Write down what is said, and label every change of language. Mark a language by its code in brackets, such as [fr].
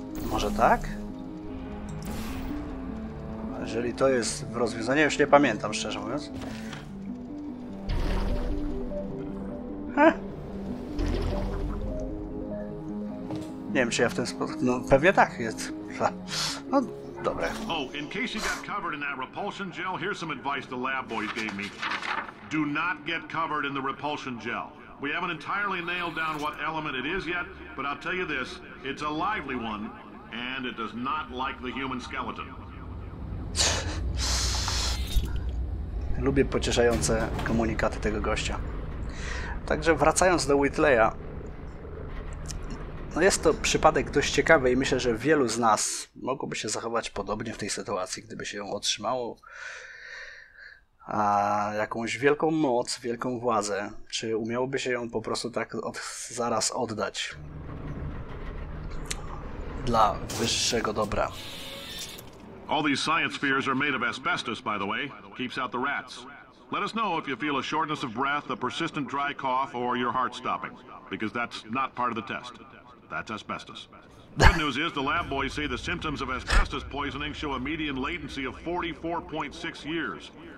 [pl] Może tak? Jeżeli to jest w rozwiązaniu, już nie pamiętam, szczerze mówiąc. Nie wiem, czy ja w ten sposób... No, pewnie tak jest. No, dobra. [en] Oh, in case you got covered in that repulsion gel, here's some advice the lab boys gave me. Do not get covered in the repulsion gel. We haven't entirely nailed down what element it is yet, but I'll tell you this, it's a lively one, and it does not like the human skeleton. [pl] Lubię pocieszające komunikaty tego gościa. Także wracając do Whitleya, no jest to przypadek dość ciekawy i myślę, że wielu z nas mogłoby się zachować podobnie w tej sytuacji, gdyby się ją otrzymało. A jakąś wielką moc, wielką władzę, czy umiałoby się ją po prostu tak zaraz oddać dla wyższego dobra. [en] All these science spheres are made of asbestos, by the way. Keeps out the rats. Let us know if you feel a shortness of breath, a persistent dry cough, or your heart stopping, because that's not part of the test. That's asbestos. Good news is the lab boys say the symptoms of asbestos poisoning show a median latency of 44.6 years.